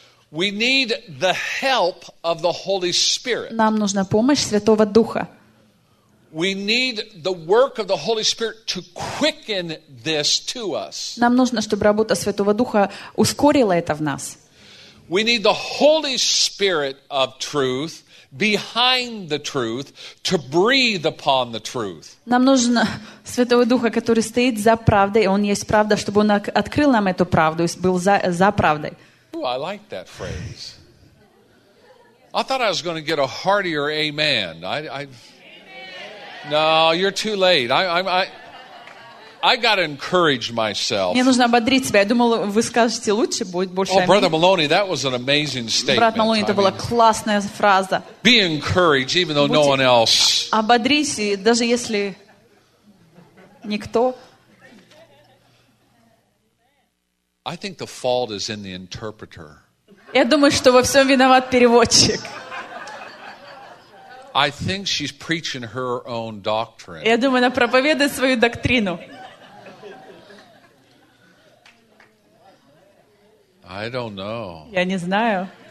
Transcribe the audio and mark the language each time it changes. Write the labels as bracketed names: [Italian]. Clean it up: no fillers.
[English] We need the help of the Holy Spirit. [Russian] Нам нужна помощь Святого Духа. [English] We need the work of the Holy Spirit to quicken this to us. [Russian] Нам нужно, чтобы работа Святого Духа ускорила это в нас. [English] We need the Holy Spirit of truth. Behind the truth, to breathe upon the truth. [Russian] Нам нужен Святой Дух, который стоит за правдой, и Он есть правда, чтобы Он открыл нам эту правду и был за правдой. [English] Ooh, I like that phrase. I thought I was going to get a heartier amen. No, you're too late. I got to encourage myself. [Russian] Мне нужно ободрить себя. Я думал, вы скажете лучше, будет больше. [English] Oh, brother Maloney, that was an amazing statement. [Russian] Брат Малони, это была классная фраза. [English] Be encouraged, even though no one else. [Russian] Ободрись, даже если никто. [English] I think the fault is in the interpreter. [Russian] Я думаю, что во всем виноват переводчик. [English] I think she's preaching her own doctrine. [Russian] Я думаю, она проповедует свою доктрину. [English] I don't know. [Russian] Я не знаю.